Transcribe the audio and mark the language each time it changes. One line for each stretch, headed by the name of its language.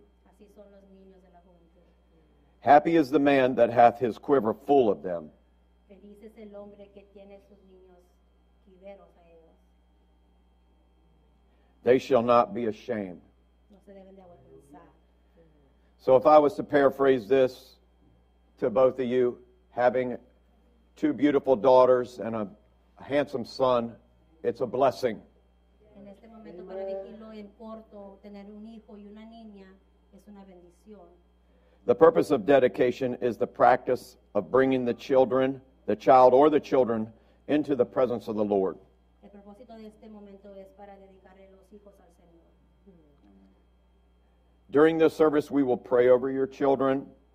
Spanish: Así son los niños de la juventud.
English: Happy is the man that hath his quiver full of them.
Spanish: Feliz es el hombre que tiene sus niños quiveros a ellos.
English: They shall not be ashamed.
Spanish: No se deben de avergonzar.
English: So if I was to paraphrase this, to both of you, having two beautiful daughters and a handsome son, it's a blessing.
Spanish: En este momento para decirlo en corto, tener un hijo y una niña es una bendición.
English: The purpose of dedication is the practice of bringing the children, the child or the children, into the presence of the Lord.
Spanish: El propósito de este momento es para dedicarle los hijos al Señor.
English: During this service, we will pray over your children.